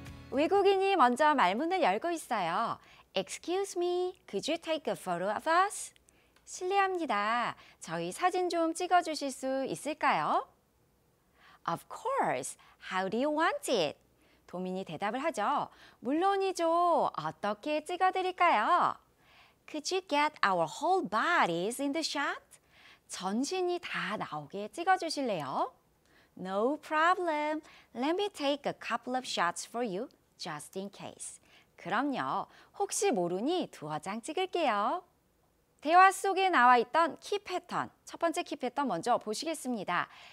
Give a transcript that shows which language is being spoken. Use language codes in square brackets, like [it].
[ko] 외국인이 먼저 말문을 열고 있어요. [en] 'Excuse me, could you take a photo of us?' [ko] 실례합니다. 저희 사진 좀 찍어주실 수 있을까요? [en] 'Of course. How do you want it?' [ko] 도민이 대답을 하죠. 물론이죠. 어떻게 찍어드릴까요? [en] Could you get our whole bodies in the shot? [ko] 전신이 다 나오게 찍어주실래요? [en] No problem. Let me take a couple of shots for you, just in case. [ko] 그럼요. 혹시 모르니 두어 장 찍을게요. 대화 속에 나와 있던 키 패턴, 첫 번째 키 패턴 먼저 보시겠습니다.